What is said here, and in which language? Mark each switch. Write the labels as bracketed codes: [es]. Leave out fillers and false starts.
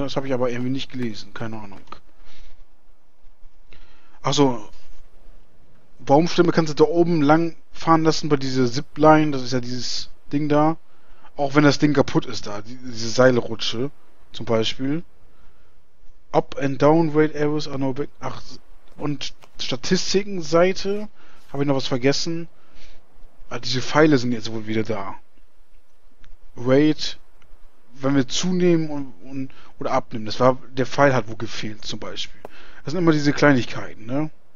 [de] Das habe ich aber irgendwie nicht gelesen, keine Ahnung. Achso, Baumstämme kannst du da oben lang fahren lassen bei dieser Zipline, das ist ja dieses Ding da. Auch wenn das Ding kaputt ist da, diese Seilrutsche zum Beispiel. [en] Up and Down Rate Arrows are no big. [de] Ach, und Statistikenseite. Habe ich noch was vergessen? Ah, diese Pfeile sind jetzt wohl wieder da. Rate, wenn wir zunehmen oder abnehmen. Das war, der Pfeil hat wohl gefehlt, zum Beispiel. Das sind immer diese Kleinigkeiten, ne?